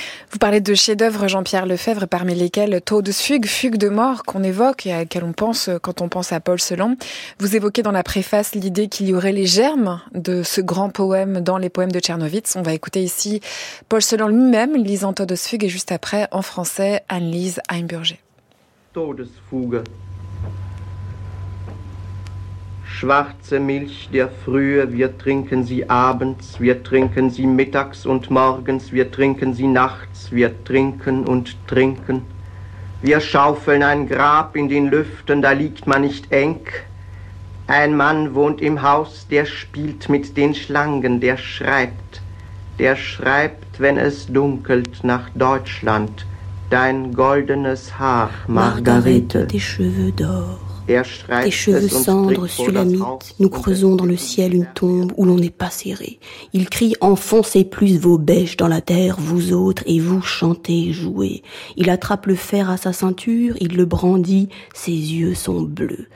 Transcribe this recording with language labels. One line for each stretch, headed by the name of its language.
French: Vous parlez de chefs-d'œuvre Jean-Pierre Lefèvre, parmi lesquels Todesfuge, Fugue de mort, qu'on évoque et à laquelle on pense quand on pense à Paul Celan. Vous évoquez dans la préface l'idée qu'il y aurait les germes de ce grand poème dans les poèmes de Tchernovitz. On va écouter ici Paul Celan lui-même lisant Todesfuge et juste après, en français, Anne-Lise Heimburger.
German: Todesfuge. Schwarze Milch der Frühe, wir trinken sie abends, wir trinken sie mittags und morgens, wir trinken sie nachts, wir trinken und trinken. Wir schaufeln ein Grab in den Lüften, da liegt man nicht eng. Ein Mann wohnt im Haus, der spielt mit den Schlangen, der schreibt, wenn es dunkelt, nach Deutschland, dein goldenes Haar, Margarete, die
French: Cheveux d'or. Des cheveux cendres, sulamites, nous creusons dans le ciel une tombe où l'on n'est pas serré. Il crie « Enfoncez plus vos bêches dans la terre, vous autres, et vous chantez, jouez. » Il attrape le fer à sa ceinture, il le brandit, ses yeux sont bleus.